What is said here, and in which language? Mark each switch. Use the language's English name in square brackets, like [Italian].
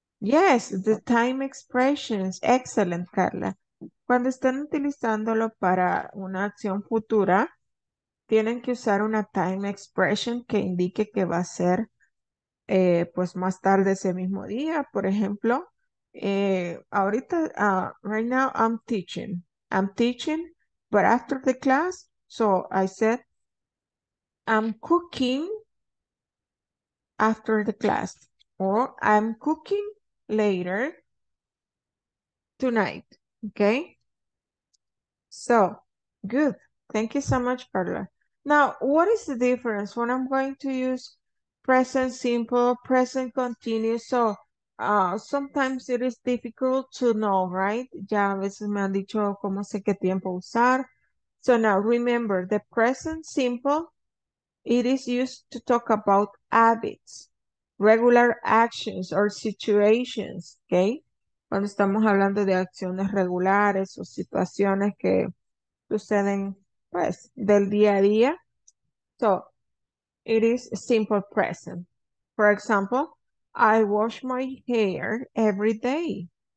[English] Yes, the time expressions. Excellent, Carla. [Spanish] Cuando están utilizándolo para una acción futura, tienen que usar una time expression que indique que va a ser pues más tarde ese mismo día. Por ejemplo, ahorita, [English] right now I'm teaching. I'm teaching, but after the class, so I said, I'm cooking after the class. Or I'm cooking later tonight, okay? So, good. Thank you so much, Carla. Now, what is the difference when I'm going to use present simple, present continuous? So, sometimes it is difficult to know, right? [Spanish] Ya a veces me han dicho cómo sé qué tiempo usar. [English] So now, remember, the present simple, it is used to talk about habits, regular actions or situations, okay? [Spanish] Cuando estamos hablando de acciones regulares o situaciones que suceden, pues, del día a día. [English] So, it is simple present. For example, I wash my hair every day.